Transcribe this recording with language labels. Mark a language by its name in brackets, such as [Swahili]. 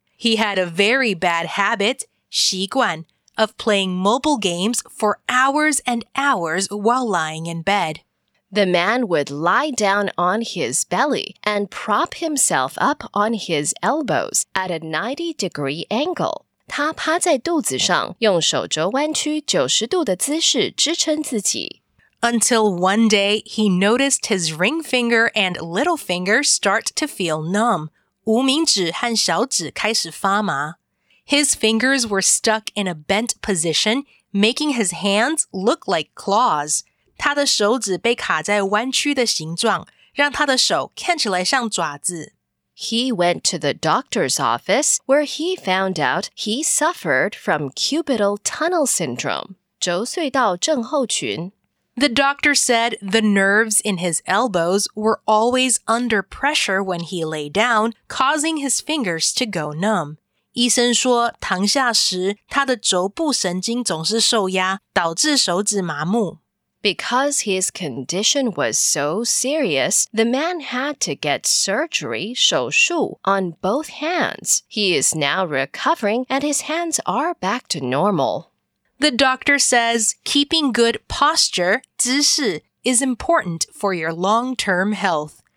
[English] He had a very bad habit, [Chinese] 习惯, [English] of playing mobile games for hours and hours while lying in bed. The man would lie down on his belly and prop himself up on his elbows at a 90-degree angle. [Chinese] 他趴在肚子上,用手肘弯曲90度的姿势支撑自己。 [English] Until one day, he noticed his ring finger and little finger start to feel numb. [Chinese] 无名指和小指开始发麻。 [English] His fingers were stuck in a bent position, making his hands look like claws. [Chinese] 他的手指被卡在弯曲的形状,让他的手看起来像爪子。 [English] He went to the doctor's office, where he found out he suffered from cubital tunnel syndrome, [Chinese] 轴隧道症候群。 [English] The doctor said the nerves in his elbows were always under pressure when he lay down, causing his fingers to go numb. [Chinese] 医生说，躺下时，他的肘部神经总是受压，导致手指麻木。 [English] Because his condition was so serious, the man had to get surgery, [Chinese] 手术, [English] on both hands. He is now recovering and his hands are back to normal. The doctor says keeping good posture, [Chinese] 姿势, [English] is important for your long-term health.